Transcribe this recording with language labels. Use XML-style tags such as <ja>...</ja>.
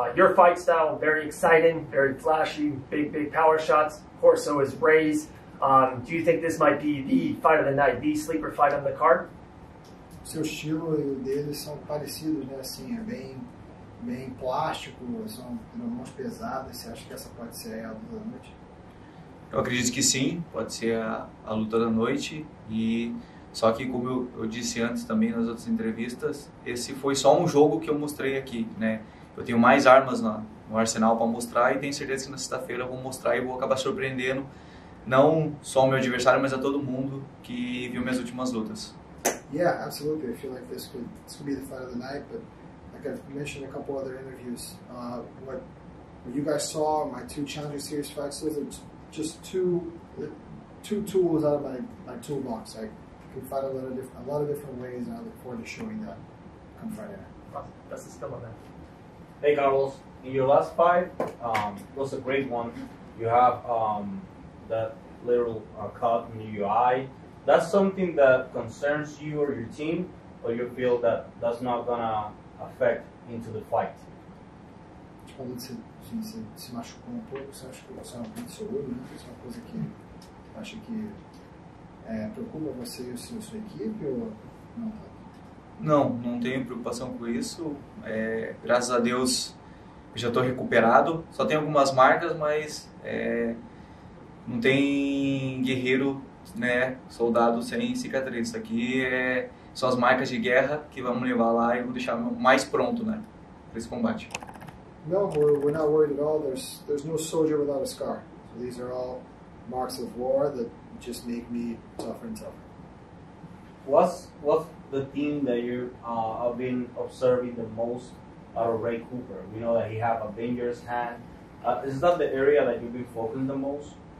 <en>Your fight style, very exciting, very flashy, big power shots. Corso is Ray's. Do you think this might be the fight of the night, the sleeper fight on the card?</en> <pt>Seu estilo e o dele são parecidos, né? Assim, é bem plástico, são mãos pesadas. Você acha que essa pode ser a luta da noite? Eu acredito que sim, pode ser a luta da noite. E só que, como eu disse antes também nas outras entrevistas, esse foi só um jogo que eu mostrei aqui, né? Eu tenho mais armas no arsenal para mostrar e tenho certeza que na sexta-feira eu vou mostrar e vou acabar surpreendendo não só o meu adversário, mas a todo mundo que viu minhas últimas lutas.</pt> <en>Yeah, absolutely. I feel like this could be the fight of the night, but like I've mentioned in a couple other interviews, what you guys saw, my two Challenger Series fights, those are just two tools out of my toolbox. I can fight a lot of different ways, and I look forward to showing that come Friday. That's the skill on that. Hey, Carlos. In your last fight, it was a great one. You have that little cut in your eye. That's something that concerns you or your team, or you feel that that's not gonna affect into the fight?</en> <pt>Quando você se machucou um pouco, você acha que você é um pouco seguro, né? Isso é uma coisa que acha que preocupa você e a sua equipe, ou não? Não tenho preocupação com isso. Graças a Deus, eu já estou recuperado. Só tem algumas marcas, mas não tem guerreiro, né, soldado sem cicatriz. Isso aqui são as marcas de guerra que vamos levar lá e vou deixar mais pronto, né, para esse combate.</pt> <en>No, we're not worried at all. There's no soldier without a scar. So these are all marks of war that just make me tougher and tougher. What's the thing that you have been observing the most out of Ray Cooper? We know that he have a dangerous hand. Is that the area that you've been focusing the most?</en>